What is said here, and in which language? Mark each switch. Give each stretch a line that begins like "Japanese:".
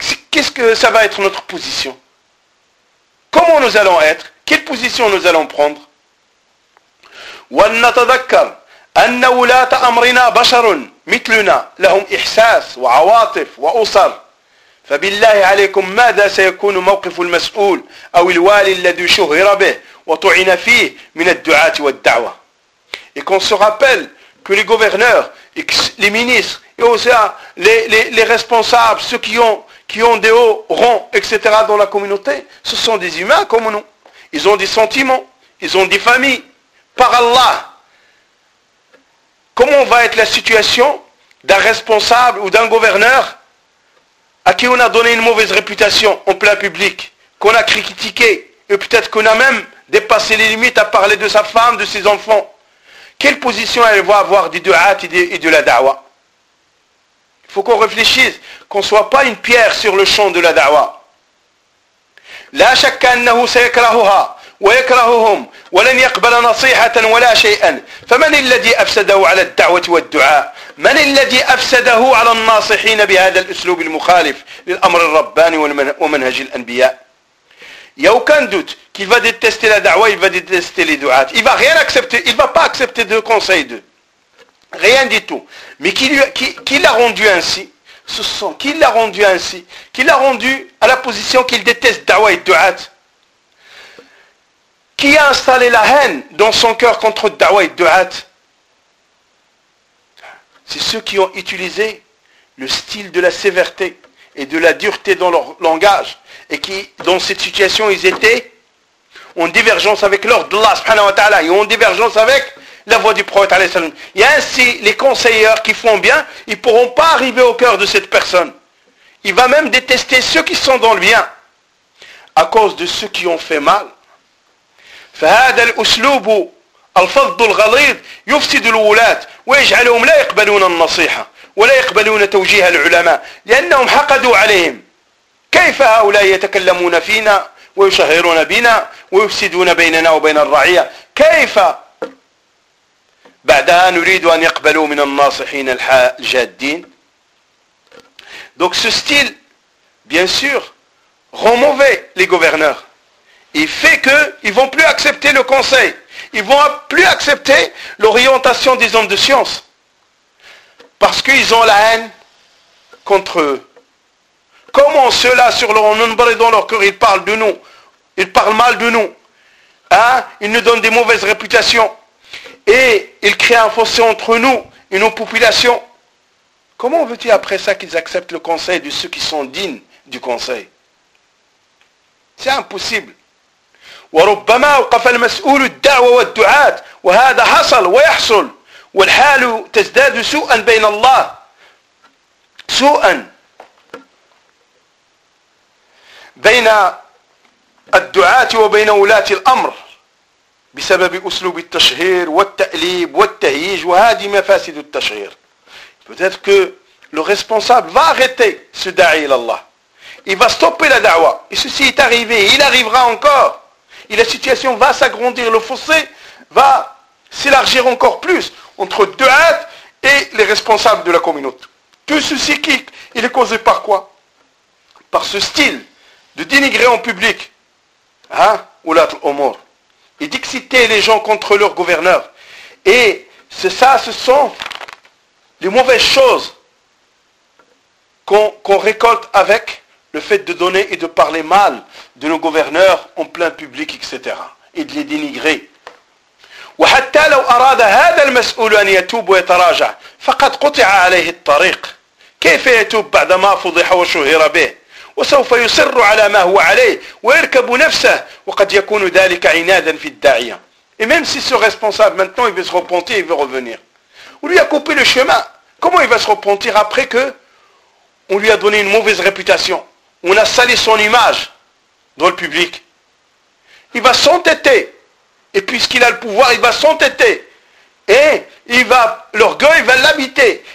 French: Qu'est-ce que ça va être notre position? Comment nous allons être? Quelle position nous allons prendre?
Arabic: ولنتذكر ان ولاة امرنا بشر مثلنا لهم احساس وعواطف واسر فبالله عليكم ماذا سيكون موقف المسؤول او الوالي الذي شهر به وطعن فيه من الدعاة والدعوة.
French: Et qu'on se rappelle que les gouverneurs, les ministres et aussi les responsables, ceux qui ont des hauts rangs, etc. dans la communauté, ce sont des humains comme nous. Ils ont des sentiments, ils ont des familles. Par Allah, comment va être la situation d'un responsable ou d'un gouverneur à qui on a donné une mauvaise réputation en plein public, qu'on a critiqué, et peut-être qu'on a même dépassé les limites à parler de sa femme, de ses enfants? Quelle position elle va avoir des du'at et de la da'wa? Il faut qu'on réfléchisse, qu'on ne soit pas une pierre sur le champ de la da'wa.
Arabic: La shakka annahu sayakrahuha ويكرههم ولن يقبل نصيحة ولا شيئا، فمن الذي أفسده على الدعوة والدعاء؟ من الذي أفسده على الناصحين بهذا الأسلوب المخالف للأمر الرباني ومنهج الأنبياء؟ يو كان دوت كيف
French: va détester la da'wa, il va détester les du'at. Il va rien accepter, il va pas accepter de conseils d'eux. Rien du tout. Mais qui l'a rendu ainsi? Ce sont qui l'a rendu ainsi? Qui l'a rendu à la position qu'il déteste da'wa et du'at? Qui a installé la haine dans son cœur contre da'wa et du'at? C'est ceux qui ont utilisé le style de la sévérité et de la dureté dans leur langage, et qui, dans cette situation, ils étaient en divergence avec l'ordre d'Allah subhanahu wa ta'ala, et en divergence avec la voix du prophète alayhi salam. Et ainsi, les conseilleurs qui font bien, ils ne pourront pas arriver au cœur de cette personne. Il va même détester ceux qui sont dans le bien, à cause de ceux qui ont fait mal.
Arabic: فهذا الأسلوب الفظ الغليظ يفسد الولاد ويجعلهم لا يقبلون النصيحة ولا يقبلون توجيه العلماء لأنهم حقدوا عليهم كيف هؤلاء يتكلمون فينا ويشهرون بنا ويفسدون بيننا وبين الرعية كيف بعدها نريد أن يقبلوا من الناصحين الجادين.
French: Donc ce style bien sûr rend mauvais les gouverneurs. Il fait qu'ils ne vont plus accepter le conseil. Ils ne vont plus accepter l'orientation des hommes de science. Parce qu'ils ont la haine contre eux. Comment ceux-là, sur leur nombre et dans leur cœur, ils parlent de nous. Ils parlent mal de nous. Hein? Ils nous donnent des mauvaises réputations. Et ils créent un fossé entre nous et nos populations. Comment veux-tu après ça qu'ils acceptent le conseil de ceux qui sont dignes du conseil? C'est impossible.
Arabic: وربما وقف المسؤول الدعوة والدعاة وهذا حصل ويحصل والحال تزداد سوءا بين الله سوءا بين الدعاة وبين ولاة الأمر بسبب أسلوب التشهير والتأليب والتهييج وهذه مفاسد التشهير.
French: Peut-être que le responsable va arrêter ce da'i ila Allah. Il va stopper la da'wa. Et ceci est arrivé. Il arrivera encore. Et la situation va s'agrandir, le fossé va s'élargir encore plus entre Duat et les responsables de la communauté. Tout ceci, il est causé par quoi? Par ce style de dénigrer en public, hein, Oulat al-Omor, et d'exciter les gens contre leur gouverneur. Et c'est ça, ce sont les mauvaises choses qu'on récolte avec le fait de donner et de parler mal de nos gouverneurs en plein public, etc. Et de les dénigrer.
Arabic: وحتى لو أراد هذا المسؤول أن يتوب ويتراجع فقد قطع عليه الطريق كيف يتوب بعدما فضح وشهر به وسوف يصر على ما هو عليه ويركب نفسه وقد يكون ذلك عنادا في الداعية.
French: Et même si ce responsable maintenant il veut se repentir, il veut revenir. On lui a coupé le chemin. Comment il va se repentir après que on lui a donné une mauvaise réputation? On a sali son image dans le public. Il va s'entêter. Et puisqu'il a le pouvoir, il va s'entêter. Et il va, l'orgueil va l'habiter.